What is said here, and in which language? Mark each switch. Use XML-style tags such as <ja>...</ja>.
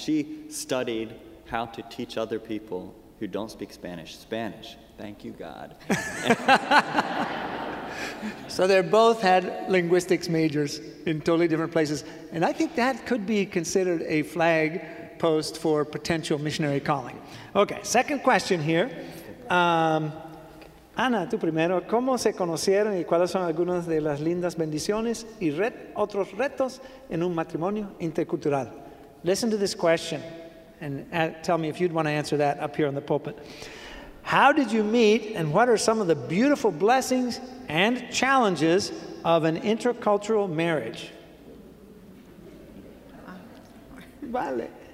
<en>She studied how to teach other people who don't speak Spanish Spanish. Thank you, God. So they both had linguistics majors in totally different places. And I think that could be considered a flag post for potential missionary calling. Okay, second question here. Ana,</en> <es>tú primero. ¿Cómo se conocieron y cuáles son algunas de las lindas bendiciones y otros retos en un matrimonio intercultural?</es> <en>Listen to this question and tell me if you'd want to answer that up here on the pulpit. How did you meet and what are some of the beautiful blessings and challenges of an intercultural marriage?</en> <es>Vale.</es>